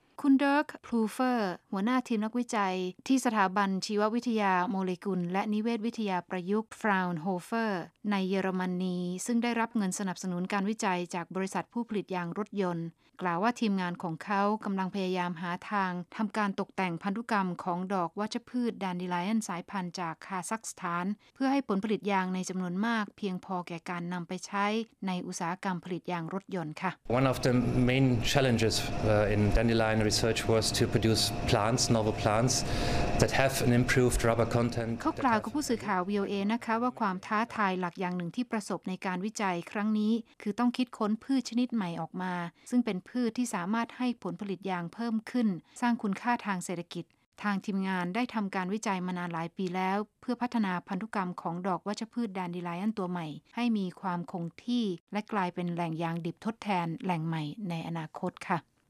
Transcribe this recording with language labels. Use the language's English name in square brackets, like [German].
[Thai] คุณเดิร์กพลูเฟอร์หัวหน้าทีมนักวิจัยที่สถาบันชีววิทยาโมเลกุลและนิเวศวิทยาประยุกต์ฟราวน์โฮเฟอร์ในเยอรมนีซึ่งได้รับเงินสนับสนุนการวิจัยจากบริษัทผู้ผลิตยางรถยนต์กล่าวว่าทีมงานของเขากำลังพยายามหาทางทำการตกแต่งพันธุกรรมของดอกวัชพืชแดนดีไลออนสายพันธุ์จากคาซัคสถานเพื่อให้ผลผลิตยางในจำนวนมากเพียงพอแก่การนำไปใช้ในอุตสาหกรรมผลิตยางรถยนต์ค่ะ [English] One of the main challenges in dandelionresearch was to produce plants novel plants that have an improved rubber content [Thai] เขากล่าวกับผู้สื่อข่าว VOA นะคะว่าความท้าทายหลักอย่างหนึ่งที่ประสบในการวิจัยครั้งนี้คือต้องคิดค้นพืชชนิดใหม่ออกมาซึ่งเป็นพืชที่สามารถให้ผลผลิตยางเพิ่มขึ้นสร้างคุณค่าทางเศรษฐกิจทางทีมงานได้ทำการวิจัยมานานหลายปีแล้วเพื่อพัฒนาพันธุกรรมของดอกวัชพืชแดนดีไลออนตัวใหม่ให้มีความคงที่และกลายเป็นแหล่งยางดิบทดแทนแหล่งใหม่ในอนาคตค่ะ